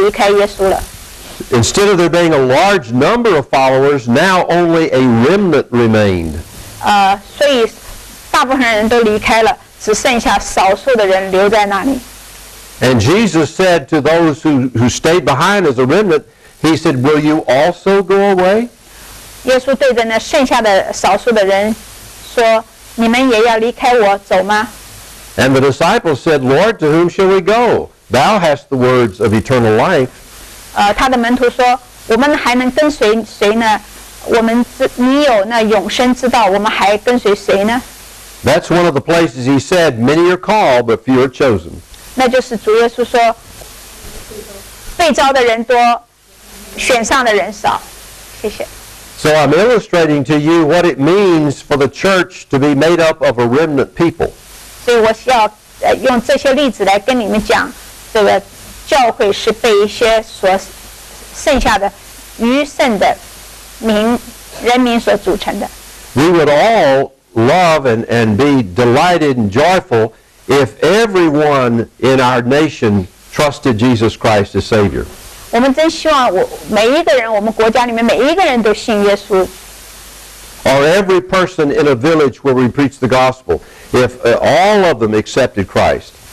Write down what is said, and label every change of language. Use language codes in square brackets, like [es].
[en] Instead of there being a large number of followers, now only a remnant remained. And Jesus said to those who stayed behind as a remnant, he said, will you also go away? [zh] 耶稣对着那剩下的少数的人说, 你们也要离开我走吗? [en] And the disciples said, Lord, to whom shall we go? Thou hast the words of eternal life. [zh] 他的门徒说, 我们还能跟随谁呢?你有那永生之道, 我们还跟随谁呢? [en] That's one of the places he said, many are called, but few are chosen. [zh] 那就是主耶稣说, 被召的人多, 选上的人少, 谢谢。 [en] So I'm illustrating to you what it means for the church to be made up of a remnant people. [zh] 所以我需要用这些例子来跟你们讲, 这个教会是被一些所剩下的, 余剩的, 民, 人民所组成的。 [en] We would all love and be delighted and joyful if everyone in our nation trusted Jesus Christ as Savior. [zh] 我们真希望每一个人都信耶稣。 [en] Or every person in a village where we preach the gospel, if all of them accepted Christ.